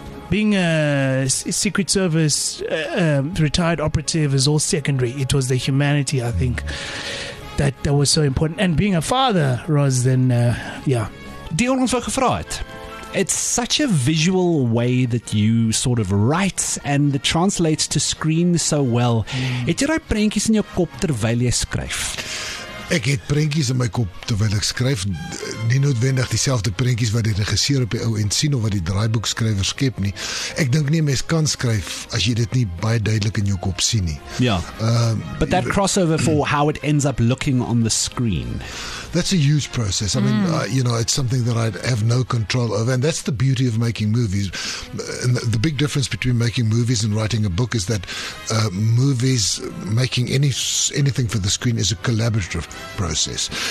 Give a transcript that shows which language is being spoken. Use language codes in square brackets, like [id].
[en] Being a Secret Service retired operative is all secondary. It was the humanity, I think, that was so important. And being a father, Roz, then, [af] Deon ons vir het. [en] It's such a visual way that you sort of write and it translates to screen so well. [af] Het jy daai prentjies in jou kop terwyl jy skryf? Ek het prentjies in my kop terwyl ek skryf, nie noodwendig dieselfde prentjies wat die regisseur op die ou end sien of wat die draaiboekskrywer skep nie. Ek dink nie 'n mens kan skryf as jy dit nie baie duidelik in jou kop sien nie. Ja. [en] But that crossover for how it ends up looking on the screen. That's a huge process. I mean, it's something that I have no control over, and that's the beauty of making movies. And the big difference between making movies and writing a book is that movies, making anything for the screen, is a collaborative process.